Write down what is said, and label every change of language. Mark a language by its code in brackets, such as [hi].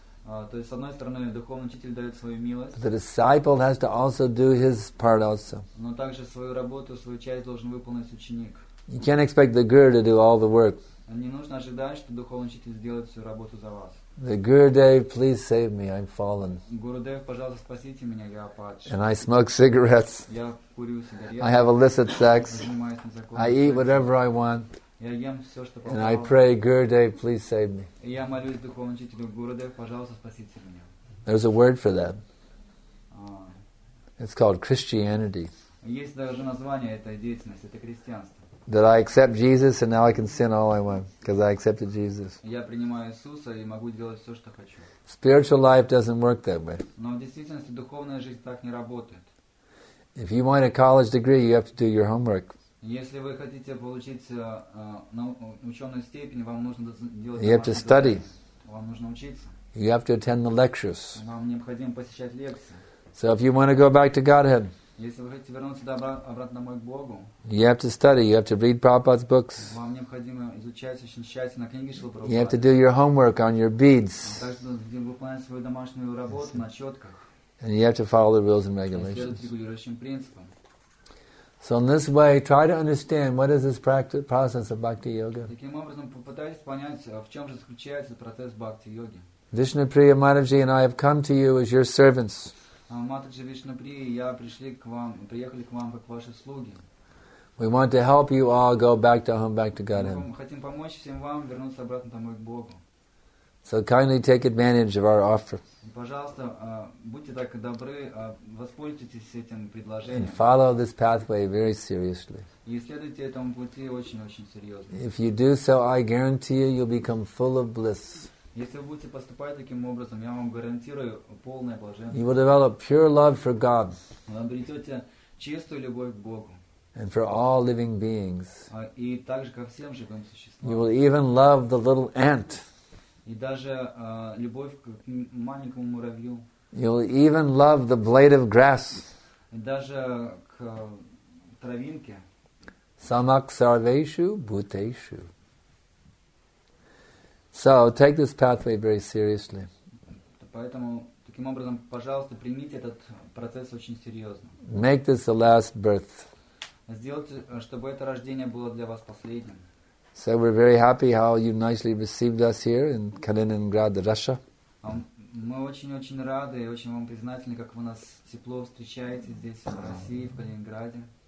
[ru] То есть, с одной стороны, духовный учитель дает свою милость. [en] But the disciple has to also do his part also. [ru] Но также свою работу, свою часть должен выполнить ученик. [en] You can't expect the guru to do all the work. [ru] Не нужно ожидать, что духовный учитель сделает всю работу за вас. [en] The Gurudev, please save me, I'm fallen. [ru] Gurudev, пожалуйста, спасите меня, я падший. [en] And I smoke cigarettes. [ru] Я курю сигареты. [en] I have illicit sex. I eat whatever I want. [ru] Я ем все, что попало. [en] And I pray, Gurudev, please save me. [ru] Я молюсь духовному учителю, Gurudev, пожалуйста, спасите меня. [en] There's a word for that. It's called Christianity. [ru] Есть даже название этой деятельности, это христианство. [en] That I accept Jesus and now I can sin all I want because I accepted Jesus. [ru] Я принимаю Иисуса и могу делать все, что хочу. [en] Spiritual life doesn't work that way. [ru] Но в действительности духовная жизнь так не работает. [en] If you want a college degree, you have to do your homework. [ru] Если вы хотите получить ученую степень, вам нужно делать. [en] You have to study. [ru] Вам нужно учиться. [en] You have to attend the lectures. [ru] Вам необходимо посещать лекции. [en] So if you want to go back to Godhead. [ru] Если вы хотите вернуться обратно домой к Богу. [en] You have to study. You have to read Prabhupada's books. [ru] Вам необходимо изучать очень тщательно книги Шрилы Прабхупады. [en] You have to do your homework on your beads. [ru] Также выполнять свою домашнюю работу на четках. [en] And you have to follow the rules and regulations. [ru] Следовать регулирующим принципам. [en] So in this way, try to understand what is this process of Bhakti Yoga. [ru] Таким образом, попытайтесь понять, в чем же заключается процесс Бхакти Йоги. [en] Vishnupriya Mataji and I have come to you as your servants. [ru] Матаджи Вишнапри, я пришли к вам, приехали к вам как ваши слуги. [en] We want to help you all go back to home, back to Godhead. [ru] Мы хотим помочь всем вам вернуться обратно домой к Богу. [en] So kindly take advantage of our offer. [ru] Пожалуйста, будьте так добры, воспользуйтесь этим предложением. [en] And follow this pathway very seriously. [ru] И следуйте этому пути очень-очень серьезно. [en] If you do so, I guarantee you, you'll become full of bliss. [ru] Если вы будете поступать таким образом, я вам гарантирую полное блаженство. [en] You will develop pure love for God. [ru] Вы обретете чистую любовь к Богу. [en] And for all living beings. [ru] И также ко всем живым существам. [en] You will even love the little ant. [ru] И даже любовь к маленькому муравью. [en] You will even love the blade of grass. [ru] И даже к травинке. [sa] Samak sarveshu bhuteshu. [en] So take this pathway very seriously. [ru] Поэтому таким образом, пожалуйста, примите этот процесс очень серьезно. [en] Make this the last birth. [ru] Сделайте, чтобы это рождение было для вас последним. [en] So we're very happy how you nicely received us here in Kaliningrad, Russia. [ru] Мы очень-очень рады и очень вам признательны, как вы нас тепло встречаете здесь в России, в Калининграде.